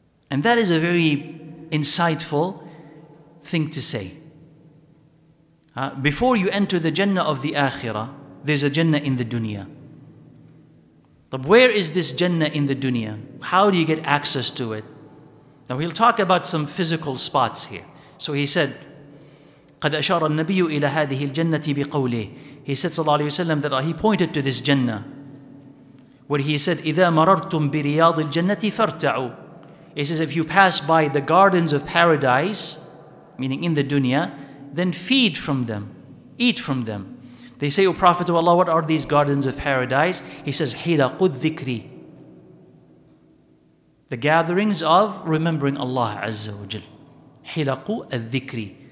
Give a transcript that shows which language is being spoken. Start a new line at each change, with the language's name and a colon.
English: And that is a very insightful thing to say. Before you enter the jannah of the akhirah, there's a jannah in the dunya. But where is this jannah in the dunya? How do you get access to it? Now he'll talk about some physical spots here. So he said,
Arabic: قد أشار النبي إلى هذه الجنة بقوله.
English: He said
Arabic: صلى الله عليه وسلم
English: that he pointed to this Jannah. Where he said,
Arabic: إِذَا مَرَرْتُمْ بِرِيَاضِ الْجَنَّةِ فَارْتَعُوا.
English: He says, if you pass by the gardens of paradise, meaning in the dunya, then feed from them, eat from them. They say, O Prophet of Allah, what are these gardens of paradise? He says,
Arabic: حِلَقُ الذِّكْرِ.
English: The gatherings of remembering Allah Azza wa Jal.
Arabic: حِلَقُ الذِّكْرِ.